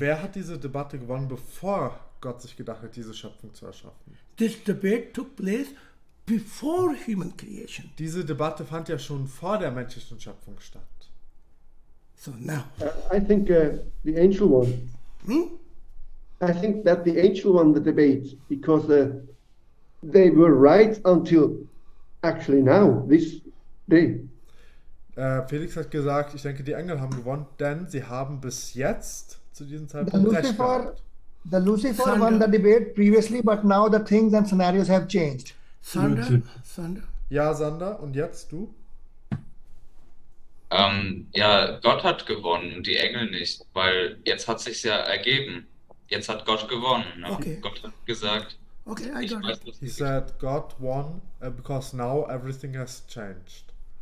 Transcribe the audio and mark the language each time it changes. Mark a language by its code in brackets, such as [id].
[de] Wer hat diese Debatte gewonnen, bevor Gott sich gedacht hat, diese Schöpfung zu erschaffen? [en] This debate took place before human creation. [de] Diese Debatte fand ja schon vor der menschlichen Schöpfung statt. [en] So now. I think the angel won. Hmm? I think that the angel won the debate because they were right until actually now, this day. [de] Felix hat gesagt, ich denke, die Engel haben gewonnen, denn sie haben bis jetzt zu diesem Zeitpunkt recht gehabt. The Lucifer Sander. [en] Won the debate previously, but now the things and scenarios have changed. Sander? [de] Ja, Sander, und jetzt du? Ja, Gott hat gewonnen und die Engel nicht, weil jetzt hat sich's ja ergeben. Jetzt hat Gott gewonnen. Ne? [en] Okay. [de] Gott hat gesagt, [en] Okay, I got it. [de] Ich [en] He said God won because now everything has changed.